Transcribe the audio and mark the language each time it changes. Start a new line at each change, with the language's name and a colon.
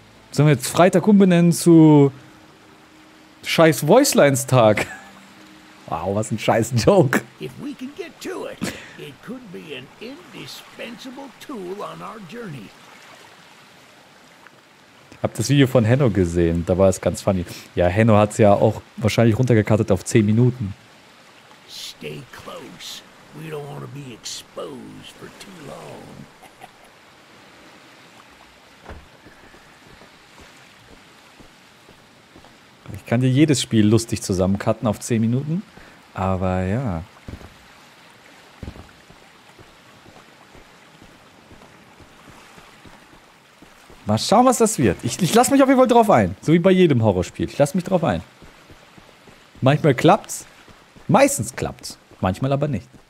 German: Sollen wir jetzt Freitag umbenennen zu Scheiß Voicelines-Tag? Wow, was ein scheiß Joke.
English: If we can get to it, it could be an indispensable tool on our journey.
German: Hab das Video von Henno gesehen, da war es ganz funny. Ja, Henno hat's ja auch wahrscheinlich runtergekartet auf 10 Minuten.
English: Stay close. We don't want to be exposed for too long.
German: Ich kann dir jedes Spiel lustig zusammencutten auf 10 Minuten. Aber ja. Mal schauen, was das wird. Ich lasse mich auf jeden Fall drauf ein. So wie bei jedem Horrorspiel. Ich lasse mich drauf ein. Manchmal klappt's. Meistens klappt's. Manchmal aber nicht.